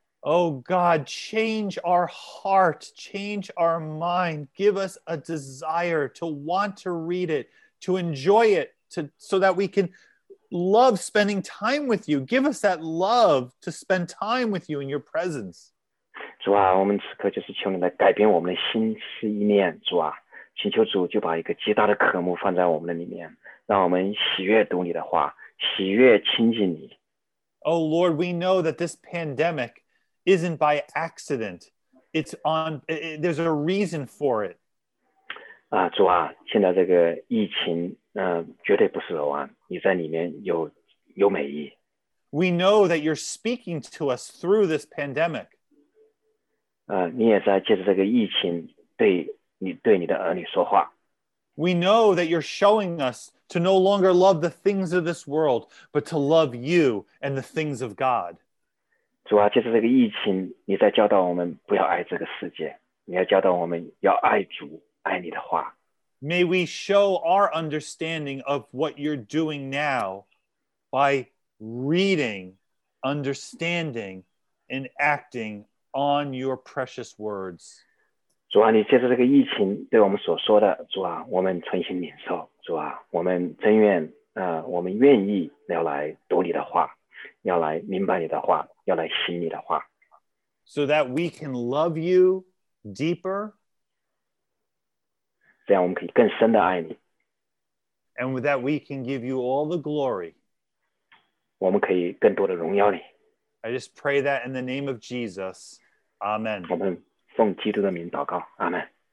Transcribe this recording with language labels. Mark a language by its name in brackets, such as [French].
[English] Oh God, change our heart, change our mind. Give us a desire to want to read it, to enjoy it, so that we can love spending time with you. Give us that love to spend time with you in your presence. [Chinese] 主啊，我们此刻就是求你来改变我们的心思意念，主啊，请求主就把一个极大的渴慕放在我们的里面，让我们喜悦读你的话，喜悦亲近你。 [English] Oh Lord, we know that this pandemic isn't by accident. There's a reason for it. [Chinese] 啊，主啊，现在这个疫情，绝对不是偶然，你在里面有美意。 [English] We know that you're speaking to us through this pandemic. [Chinese] 你也在借着这个疫情对你的儿女说话。 [English] We know that you're showing us to no longer love the things of this world, but to love you and the things of God. [Chinese] 主啊，借着这个疫情，你在教导我们不要爱这个世界，你要教导我们要爱主，爱你的话。 [English] May we show our understanding of what you're doing now by reading, understanding, and acting on your precious words. [Chinese] 主啊，你借着这个疫情对我们所说的，主啊，我们存心领受。主啊，我们真愿，我们愿意要来读你的话，要来明白你的话，要来行你的话。 [English] So that we can love you deeper. [Chinese] 这样我们可以更深的爱你。 [English] And with that we can give you all the glory. [Chinese] 我们可以更多的荣耀你。 [English] I just pray that in the name of Jesus. Amen. [Chinese] 我们奉基督的名祷告，阿门。